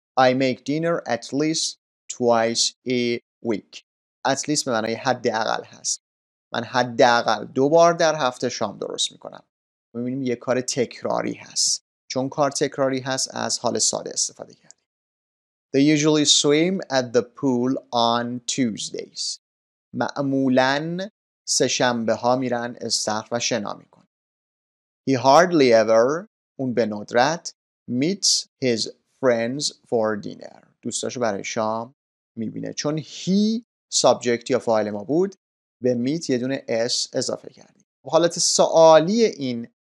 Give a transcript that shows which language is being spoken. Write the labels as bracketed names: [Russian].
[English] I make dinner at least twice a week. [Persian] At least به معنای حداقل هست. من حداقل دو بار در هفته شام درست میکنم. میبینیم یه کار تکراری هست. چون کار تکراری هست از حال ساده استفاده کردیم. [English] They usually swim at the pool on Tuesdays. [Persian] معمولاً سه شنبه ها میرن استخر و شنا میکنن. [English] He hardly ever، [Persian] اون به ندرت، [English] meets his friends for dinner. [Persian] دوستاشو برای شام میبینه. چون he subject یا فاعل ما بود، به meet یه دونه s اضافه کردیم. حالت سوالی این